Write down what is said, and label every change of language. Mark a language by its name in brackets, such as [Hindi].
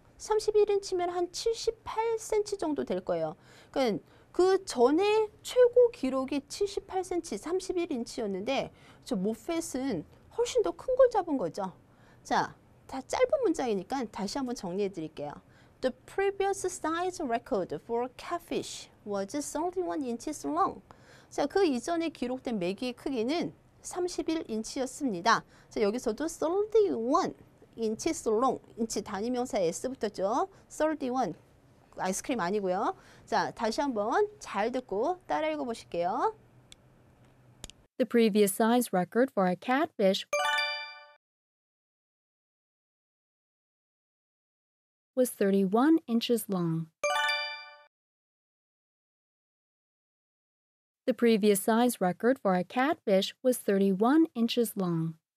[Korean] 31인치면 한 78cm 정도 될 거예요. 그 전에 최고 기록이 78cm, 31인치였는데 저 모펫은 훨씬 더 큰 걸 잡은 거죠. 자, 다 짧은 문장이니까 다시 한번 정리해 드릴게요. [English] The previous size record for catfish was 31 inches long. [Korean] 자, 그 이전에 기록된 메기의 크기는 31인치였습니다. 자, 여기서도 [English] 31 inches long. [Korean] 인치 단위명사 S 붙었죠. 31 아이스크림 아니고요. 자, 다시 한번 잘 듣고 따라 읽어 보실게요. [English] The previous size record for a catfish was 31 inches long. The previous size record for a catfish was 31 inches long.